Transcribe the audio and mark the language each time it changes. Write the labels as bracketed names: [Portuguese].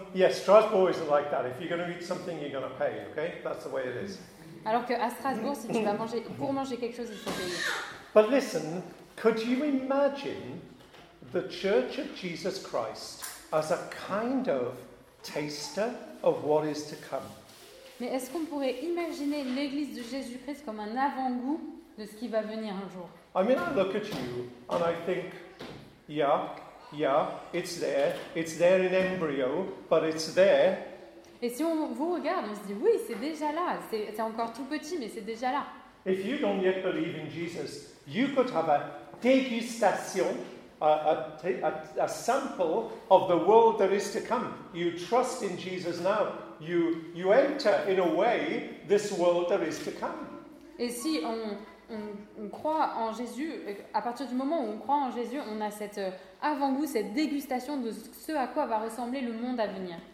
[English] Strasbourg isn't like that. If you're going to eat something, you're going to pay, okay? That's the way it is. [French] Alors que à Strasbourg, si tu vas manger pour manger quelque chose, il faut payer. [English] But listen, could you imagine the Church of Jesus Christ as a kind of taster of what is to come? [French] Mais est-ce qu'on pourrait imaginer l'Église de Jésus-Christ comme un avant-goût de ce qui va venir un jour? [English] I mean, I look at you and I think, yeah, it's there in embryo, but it's there. [French] Et si on vous regarde, on se dit, oui, c'est déjà là, c'est encore tout petit, mais c'est déjà là. [English] If you don't yet believe in Jesus, you could have a dégustation, a sample of the world that is to come. You trust in Jesus now. You enter, in a way, this world that is to come. [French] Et si on croit en Jésus, à partir du moment où on croit en Jésus, on a cet avant-goût, cette dégustation de ce à quoi va ressembler le monde à venir.